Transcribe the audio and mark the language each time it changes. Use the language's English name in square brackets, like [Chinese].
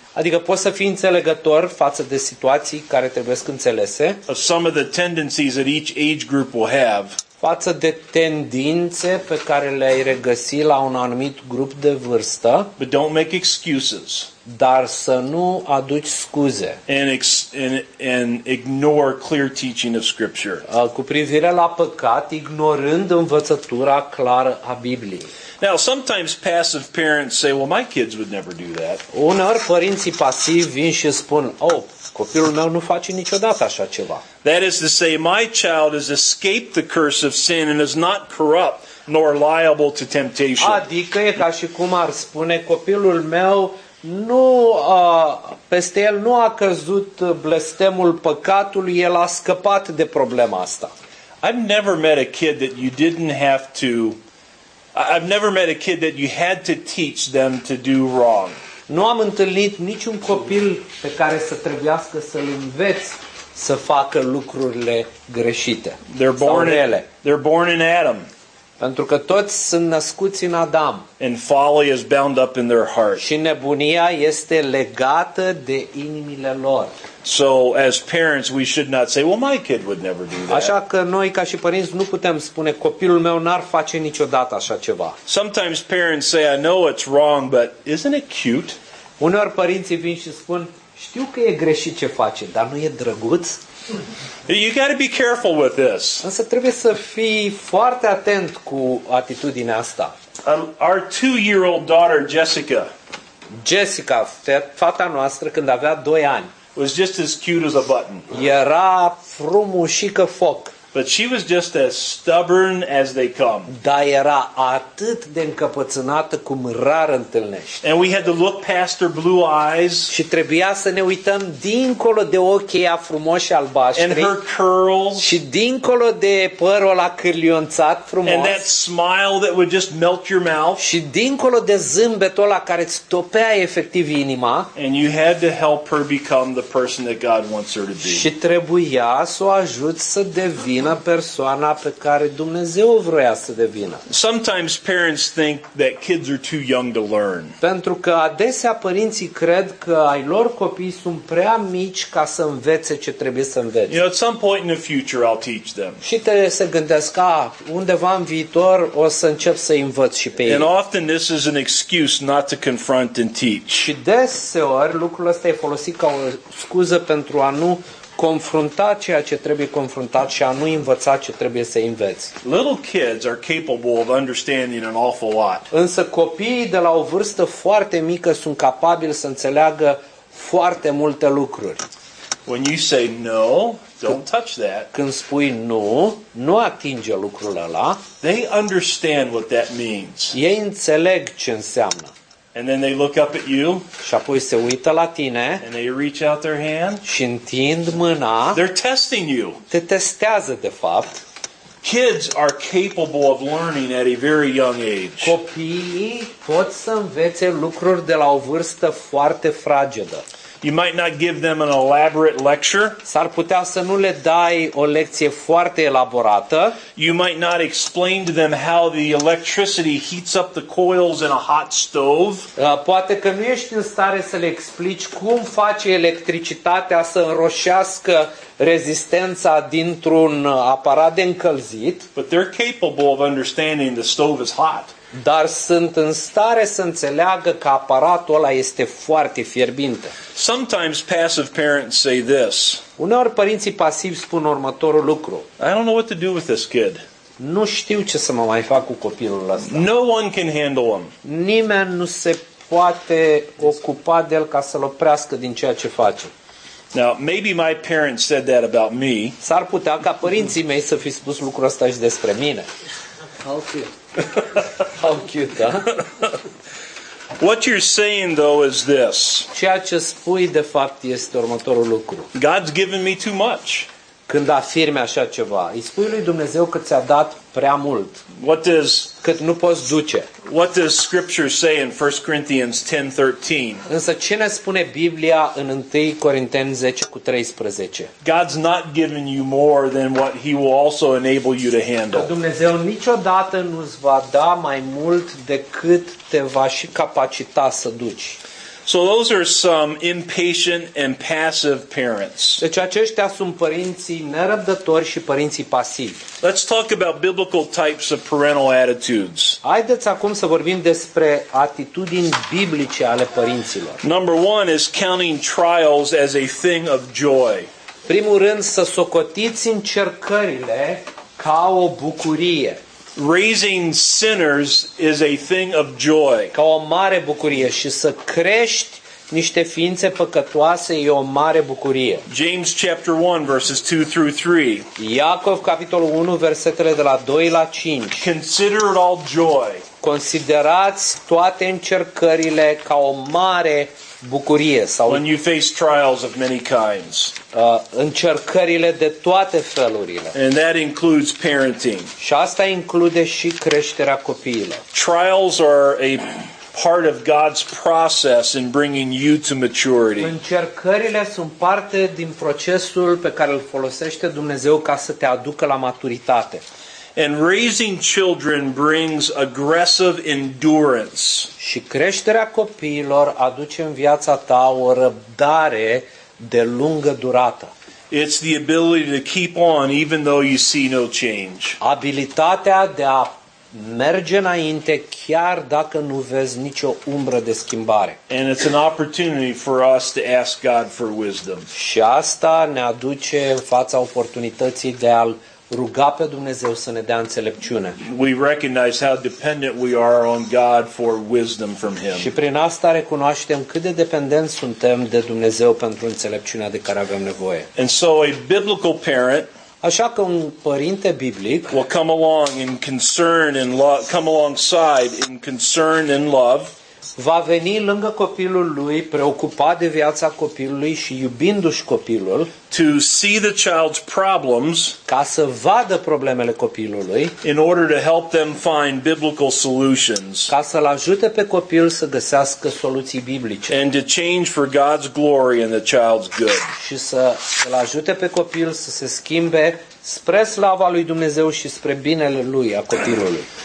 [Romanian] Adică poți să fii înțelegător față de situații care trebuie înțelese. [English] Of some of the tendencies that each age group will have. [Romanian] Față de tendințe pe care le-ai regăsi la un anumit grup de vârstă. [English] But don't make excuses. [Romanian] Dar să nu aduci scuze. [English] And ignore clear teaching of Scripture. [Romanian] Cu privire la păcat, ignorând învățătura clară a Bibliei. [English] Now, sometimes passive parents say, well, my kids would never do that. [Romanian] Uneori părinții pasivi vin și spun, oh, copilul meu nu face niciodată așa ceva. [English] That is to say, my child has escaped the curse of sin and is not corrupt nor liable to temptation. [Romanian] Adică e ca și cum ar spune, copilul meu nu, peste el nu a căzut blestemul păcatului, el a scăpat de problema asta. [English] I've never met a kid that you didn't have to... I've never met a kid that you had to teach them to do wrong. [Romanian] Nu am întâlnit niciun copil pe care să trebuiască să-l înveți să facă lucrurile greșite. [English] They're born in Adam. [Romanian] Pentru că toți sunt născuți în Adam. [English] And folly is bound up in their heart. [Romanian] Și nebunia este legată de inimile lor. [English] So as parents we should not say, well, my kid would never do that. [Romanian] Așa că noi ca și părinți nu putem spune copilul meu n-ar face niciodată așa ceva. [English] Sometimes parents say, I know it's wrong, but isn't it cute? [Romanian] Uneori părinții vin și spun, știu că e greșit ce face, dar nu e drăguț? [English] You got to be careful with this. [Romanian] Însă trebuie să fii foarte atent cu atitudinea asta. [English] Our 2-year-old daughter Jessica. [Romanian] Jessica, fata noastră când avea 2 ani. [English] Was just as cute as a button. [Romanian] Era frumușică foc. [English] But she was just as stubborn as they come. [Romanian] Da, era atât de încăpățânată cum rar întâlnești. [English] And we had to look past her blue eyes. [Romanian] Și trebuia să ne uităm dincolo de ochii ei frumoși albaștri. [English] And her curls. [Romanian] Și dincolo de părul ăla cârlionțat frumos. [English] And that smile that would just melt your mouth. [Romanian] Și dincolo de zâmbetul ăla care îți topea efectiv inima. [English] And you had to help her become the person that God wants her to be. [Romanian] Și trebuia să o ajut să devină persoana pe care Dumnezeu vrea să devină. [English] Sometimes parents think that kids are too young to learn. [Romanian] Pentru că adesea părinții cred că ai lor copii sunt prea mici ca să învețe ce trebuie să învețe. [English] You know, at some point in the future I'll teach them. [Romanian] Și trebuie să gândesc, undeva în viitor o să încep să învăț și pe ei. [English] And often this is an excuse not to confront and teach. [Romanian] Și deseori lucrul ăsta e folosit ca o scuză pentru a nu confrunta ceea ce trebuie confruntat și a nu învăța ce trebuie să înveți. [English] Little kids are capable of understanding an awful lot. [Romanian] Însă copiii de la o vârstă foarte mică sunt capabili să înțeleagă foarte multe lucruri. [English] When you say no, don't touch that. [Romanian] Când spui nu, nu atinge lucrul ăla. [English] They understand what that means. [Romanian] Ei înțeleg ce înseamnă. [English] And then they look up at you. [Romanian] Și apoi se uită la tine. [English] And they reach out their hand. [Romanian] Și întind mâna. [English] They're testing you. [Romanian] Te testează de fapt. [English] Kids are capable of learning at a very young age. [Romanian] Copiii pot să învețe lucruri de la o vârstă foarte fragedă. [English] You might not give them an elaborate lecture. [Romanian] S-ar putea să nu le dai o lecție foarte elaborată. [English] You might not explain to them how the electricity heats up the coils in a hot stove. [Romanian] Poate că nu ești în stare să le explici cum face electricitatea să înroșească rezistența dintr-un aparat de încălzit. [English] But they're capable of understanding the stove is hot. [Romanian] Dar sunt în stare să înțeleagă că aparatul ăla este foarte fierbinte. [English] Sometimes passive parents say this. [Romanian] Uneori părinții pasivi spun următorul lucru. [English] I don't know what to do with this kid. [Romanian] Nu știu ce să mă mai fac cu copilul ăsta. [English] No one can handle him. [Romanian] Nimeni nu se poate ocupa de el ca să-l oprească din ceea ce face. [English] Now, maybe my parents said that about me. [Romanian] S-ar putea ca părinții mei să fi spus lucrul ăsta și despre mine. [English] How cute. How cute, huh? What you're saying though is this. [Romanian] Ceea ce spui de fapt este următorul lucru. [English] God's given me too much. [Romanian] Când afirmi așa ceva, îi spui lui Dumnezeu că ți-a dat prea mult. [English] What does, [Romanian] cât nu poți duce. [English] What does scripture say in 1 Corinthians 10:13? [Romanian] Însă ce ne spune Biblia în 1 Corinteni 10:13? [English] God's not given you more than what he will also enable you to handle. [Romanian] Dumnezeu niciodată nu îți va da mai mult decât te va și capacita să duci. [English] So those are some impatient and passive parents. [Romanian] Deci aceștia sunt părinții nerăbdători și părinții pasivi. [English] Let's talk about biblical types of parental attitudes. [Romanian] Haideți acum să vorbim despre atitudini biblice ale părinților. [English] Number one is counting trials as a thing of joy. [Romanian] Primul rând, să socotiți încercările ca o bucurie. [English] Raising sinners is a thing of joy. [Romanian] Ca o mare bucurie și să crești niște ființe păcătoase e o mare bucurie. [English] James chapter 1 verses 2 through 3. [Romanian] Iacov capitolul 1 versetele de la 2 la 5. [English] Consider it all joy. [Romanian] Considerați toate încercările ca o mare bucurie sau [English] when you face trials of many kinds. [Romanian] Încercările de toate felurile. [English] And that includes parenting. [Romanian] Și asta include și creșterea copiilor. [English] Trials are a part of God's process in bringing you to maturity. [Romanian] Încercările sunt parte din procesul pe care îl folosește Dumnezeu ca să te aducă la maturitate. [English] And raising children brings aggressive endurance. [Romanian] Și creșterea copiilor aduce în viața ta o răbdare de lungă durată. [English] It's the ability to keep on even though you see no change. [Romanian] Abilitatea de a merge înainte chiar dacă nu vezi nicio umbră de schimbare. [English] And it's an opportunity for us to ask God for wisdom. [Romanian] Și asta ne aduce în fața oportunității de a-l ruga pe Dumnezeu să ne dea înțelepciune. [English] We recognize how dependent we are on God for wisdom from him. [Romanian] Și prin asta recunoaștem cât de dependenți suntem de Dumnezeu pentru înțelepciunea de care avem nevoie. [English] And so a biblical parent, [Romanian] așa că un părinte biblic, [English] will come along in concern and come alongside in concern and love, [Romanian] va veni lângă copilul lui, preocupat de viața copilului și iubindu-și copilul, [English] to see the child's problems, [Romanian] ca să vadă problemele copilului, [English] in order to help them find biblical solutions, [Romanian] ca să-l ajute pe copil să găsească soluții biblice, [English] and to change for God's glory and the child's good, [Romanian] și să-l ajute pe copil să se schimbe spre slava lui Dumnezeu și spre binele lui, a copilului.